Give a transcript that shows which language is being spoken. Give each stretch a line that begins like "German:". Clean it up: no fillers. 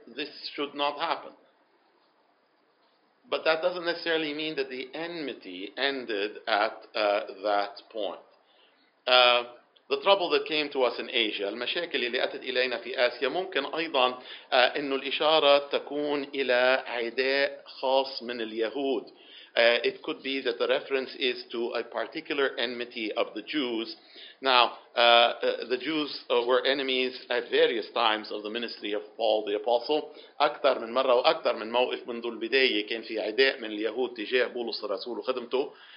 English: This should not happen. But that doesn't necessarily mean that the enmity ended at that point. The trouble that came to us in Asia,
Arabic: المشاكل اللي أتت إلينا في آسيا, ممكن أيضا إنه الإشارة تكون إلى عداء خاص من اليهود.
English: It could be that the reference is to a particular enmity of the Jews. Now, the Jews were enemies at various times of the ministry of Paul the Apostle.
Arabic: أكثر من مرة وأكثر من موقف منذ البداية كان في عداء من اليهود تجاه بولس الرسول وخدمته.